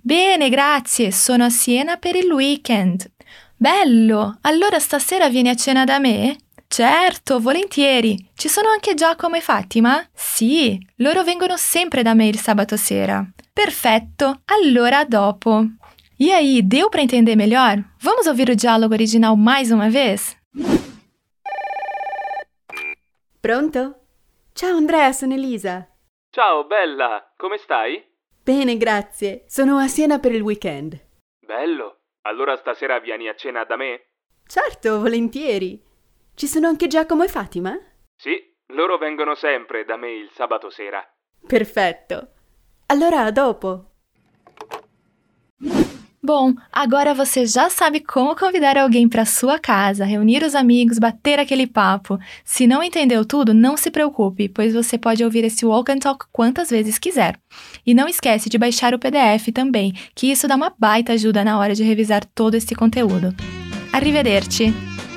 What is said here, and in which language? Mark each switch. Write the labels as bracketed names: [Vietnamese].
[Italian] Bene, grazie, sono a Siena per il weekend. Bello! Allora stasera vieni a cena da me? Certo, volentieri! Ci sono anche Giacomo e Fatima? Sì, loro vengono sempre da me il sabato sera. Perfetto! Allora dopo! [Portuguese] E aí, deu para entender melhor? Vamos ouvir o diálogo original mais uma vez? [Italian] Pronto? Ciao Andrea, sono Elisa! Ciao, bella! Come stai? Bene, grazie! Sono a Siena per il weekend. Bello! Allora stasera vieni a cena da me? Certo, volentieri. Ci sono anche Giacomo e Fatima? Sì, loro vengono sempre da me il sabato sera. Perfetto. Allora, a dopo. [Portuguese] Bom, agora você já sabe como convidar alguém para sua casa, reunir os amigos, bater aquele papo. Se não entendeu tudo, não se preocupe, pois você pode ouvir esse Walk and Talk quantas vezes quiser. E não esquece de baixar o PDF também, que isso dá uma baita ajuda na hora de revisar todo esse conteúdo. Arrivederci!